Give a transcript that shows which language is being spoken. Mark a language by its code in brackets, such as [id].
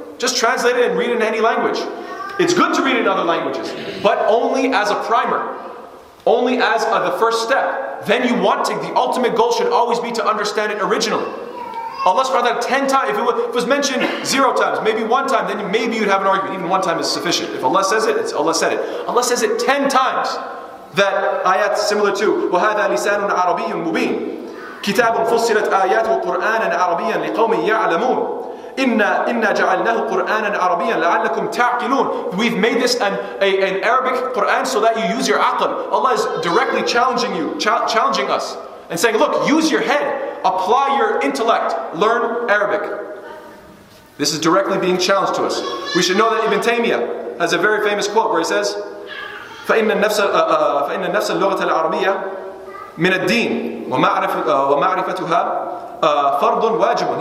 [en] Just translate it and read it in any language. It's good to read it in other languages, but only as a primer. Only as the first step. Then you want to, the ultimate goal should always be to understand it originally. Allah subhanahu wa ta'ala 10 times, if it was mentioned 0 times, maybe 1 time, then maybe you'd have an argument. Even 1 time is sufficient. If Allah says it, it's Allah said it. Allah says it 10 times. That ayat similar to, [ar] وَهَذَا لِسَانٌ عَرَبِيٌّ مُبِينٌ كِتَابٌ فُصِّلَتْ آيَاتُهُ قُرْآنًا عَرَبِيًّا لِقَوْمٍ يَعْلَمُونَ إِنَّا جَعَلْنَاهُ قُرْآنًا عَرَبِيًّا لَعَلَّكُمْ تَعْقِلُونَ. [en] We've made this an Arabic Quran so that you use your aql. Allah is directly challenging you, challenging us, and saying, look, use your head, apply your intellect, learn Arabic. This is directly being challenged to us. We should know that Ibn Taymiyyah has a very famous quote where he says, [ar] فَإِنَّ النَّفْسَ اللُّغَةَ الْعَرَبِيَّةِ مِنَ الدِّينِ وَمَعْرِفَتُهَا فَرْضٌ وَاجِبٌ.